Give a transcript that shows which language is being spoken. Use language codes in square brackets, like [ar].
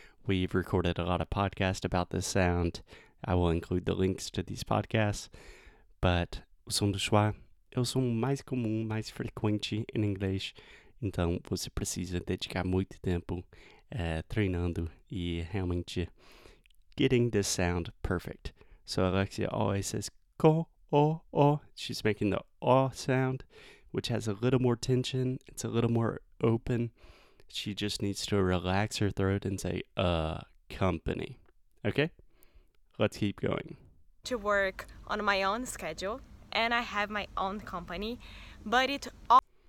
[en] We've recorded a lot of podcasts about this sound. I will include the links to these podcasts. [pt] But o som do schwa é o som mais comum, mais frequente em inglês. Então, você precisa dedicar muito tempo treinando e realmente [en] getting this sound perfect. So, Alexia always says co, o, o. She's making the o sound, which has a little more tension. It's a little more open. She just needs to relax her throat and say, company. Okay? Let's keep going. To work on my own schedule, and I have my own company, but it all...